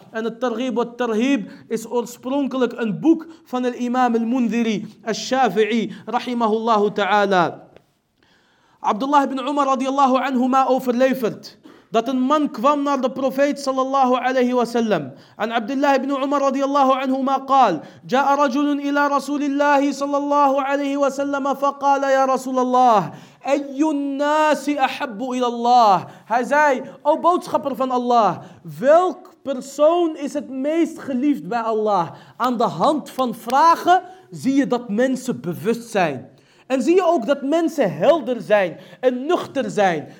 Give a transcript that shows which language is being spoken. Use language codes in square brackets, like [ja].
[nl] En al-Targhib wa al-Tarhib is oorspronkelijk een boek van al-Imam المنذري الشافعي [ar] رحمه الله تعالى. [nl] عبد الله بن عمر [ar] رضي الله عنهما [nl] overlevert dat een man kwam naar de profeet sallallahu alayhi wa sallam. [ar] عن عبد الله بن عمر رضي الله عنهما قال جاء رجل الى رسول الله sallallahu alayhi wa sallam فقال يا رسول الله اي الناس احب الى الله. [nl] Hij zei, o boodschapper van Allah, welk persoon is het meest geliefd bij Allah? Aan de hand van vragen zie je dat mensen bewust zijn. En zie je ook dat mensen helder zijn en nuchter zijn.